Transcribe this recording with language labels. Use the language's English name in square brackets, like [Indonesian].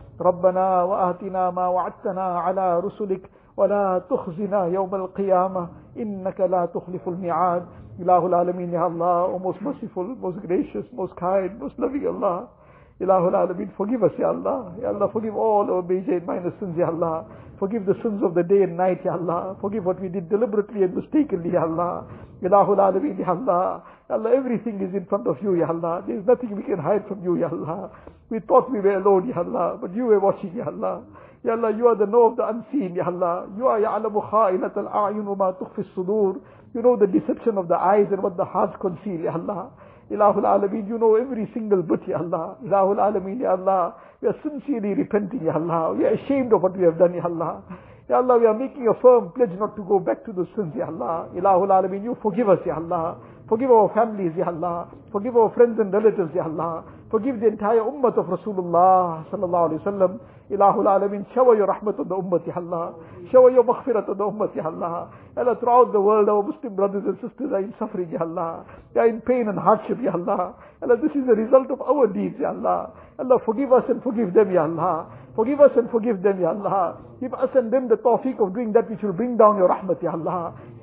[Arabic] ربنا وآتنا ما وعدتنا على رسلك، ولا تخزنا يوم القيامة، إنك لا تخلف الميعاد. إله العالمين [English] يا الله، most merciful, most gracious, most kind, most loving Allah. [Arabic] إله العالمين، [English] forgive us [Arabic] يا الله. [English] يا الله forgive all our major and minor sins يا الله. Forgive the sins of the day and night يا الله. Forgive what we did deliberately and mistakenly يا الله. [Arabic] إله العالمين يا الله. يا الله [English] everything is in front of you [Arabic] يا الله. [English] There is nothing we can hide from you يا الله. We thought we were alone يا الله, but you were watching يا الله. يا الله you are the know of the unseen يا الله. You are [Arabic] يعلم خائنة الأعين وما تخفي الصدور. [English] You know the deception of the eyes and what the hearts conceal يا الله. [Arabic] إله العالمين [English] you know every single bit يا الله. [Arabic] إله العالمين يا الله [English] we are sincerely repenting [Arabic] يا الله. [English] We are ashamed of what we have done يا الله. يا الله we are making a firm pledge not to go back to those sins يا الله. [Arabic] إله العالمين [English] you forgive us يا الله. Forgive our families يا الله. Forgive our friends and relatives يا الله. Forgive the entire ummah of Rasulullah [Arabic] صلى الله عليه وسلم. إله العالمين شوي رحمة الأمة يا الله، شوي مغفرة الأمة يا الله. [English] يا الله throughout the world our Muslim brothers and sisters are in suffering يا الله، they are in pain and hardship يا الله. يا الله this is the result of our deeds يا الله. يا الله forgive us and forgive them يا الله. Forgive us and forgive them يا الله. Give us and them the tawfiq of doing that which will bring down your rahmat يا الله.